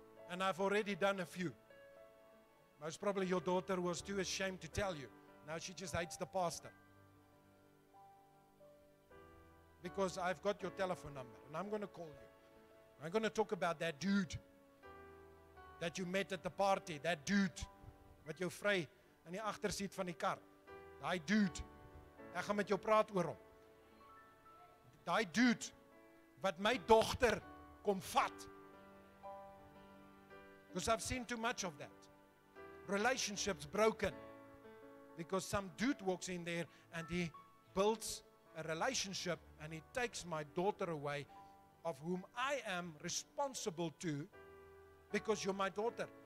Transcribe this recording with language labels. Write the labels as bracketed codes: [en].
[en] And I've already done a few. Most probably your daughter was too ashamed to tell you. Now she just hates the pastor. because I've got your telephone number and I'm going to call you. I'm going to talk about that dude that you met at the party, that dude [af] wat jou vry in die agtersiet van die kar. Daai dude. Ek gaan met jou praat oor hom. Daai dude wat my dogter kom vat. [en] Because I've seen too much of that. Relationships broken. Because some dude walks in there and he builds a relationship and he takes my daughter away of whom I am responsible to because you're my daughter.